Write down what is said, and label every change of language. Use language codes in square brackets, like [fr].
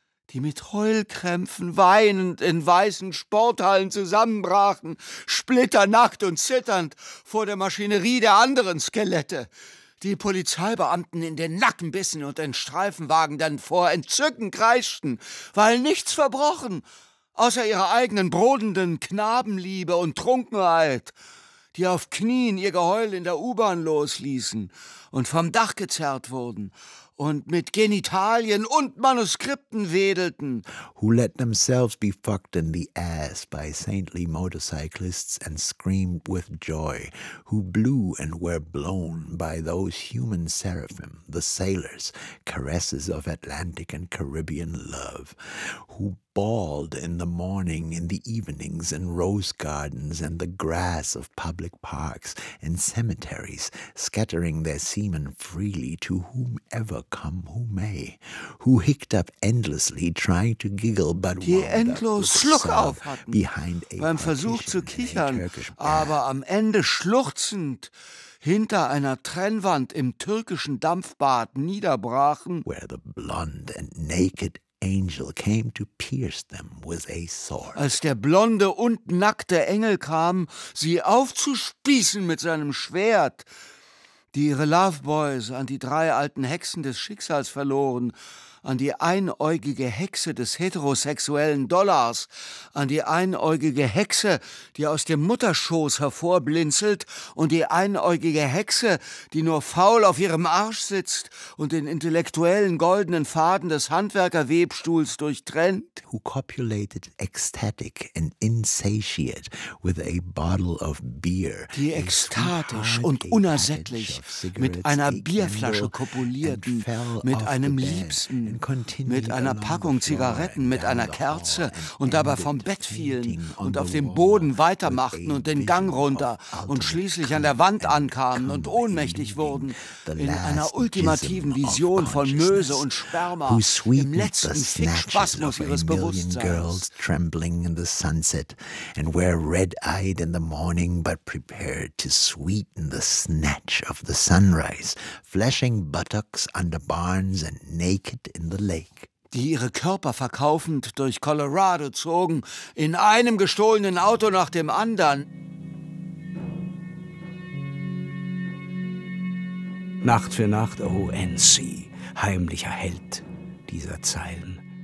[de] die mit Heulkrämpfen weinend in weißen Sporthallen zusammenbrachen, splitternackt und zitternd vor der Maschinerie der anderen Skelette, die Polizeibeamten in den Nacken bissen und den Streifenwagen dann vor Entzücken kreischten, weil nichts verbrochen, außer ihrer eigenen brodenden Knabenliebe und Trunkenheit, die auf Knien ihr Geheul in der U-Bahn losließen und vom Dach gezerrt wurden und mit Genitalien und Manuskripten wedelten. [en] Who let themselves be fucked in the ass by saintly motorcyclists and screamed with joy. Who blew and were blown by those human seraphim, the sailors, caresses of Atlantic and Caribbean love. Who bawled in the morning, in the evenings, in rose gardens and the grass of public parks and cemeteries, scattering their semen freely to whomever come who may, who hicked up endlessly, trying to giggle, but [de] die endlos Schluck auf hatten beim Versuch zu kichern, aber am Ende schluchzend hinter einer Trennwand im türkischen Dampfbad niederbrachen, [en] where the blonde and naked Angel came to pierce them with a sword. [de] Als der blonde und nackte Engel kam, sie aufzuspießen mit seinem Schwert, die ihre Loveboys an die drei alten Hexen des Schicksals verloren, an die einäugige Hexe des heterosexuellen Dollars, an die einäugige Hexe, die aus dem Mutterschoß hervorblinzelt, und die einäugige Hexe, die nur faul auf ihrem Arsch sitzt und den intellektuellen goldenen Faden des Handwerkerwebstuhls durchtrennt. [en] Who copulated ecstatic and insatiate with a bottle of beer. [de] Die ekstatisch und unersättlich mit einer Bierflasche kopulierten, mit einem Liebsten, mit einer Packung Zigaretten, mit einer Kerze und dabei vom Bett fielen und auf dem Boden weitermachten und den Gang runter und schließlich an der Wand ankamen und ohnmächtig wurden in einer ultimativen Vision von Möse und Sperma im letzten Fickspasmus ihres Bewusstseins. [en] And were red-eyed in the morning but prepared to sweeten the snatch of the sunrise, fleshing buttocks under barns and naked in the lake. [de] Die ihre Körper verkaufend durch Colorado zogen, in einem gestohlenen Auto nach dem anderen. Nacht für Nacht, oh NC, heimlicher Held dieser Zeilen.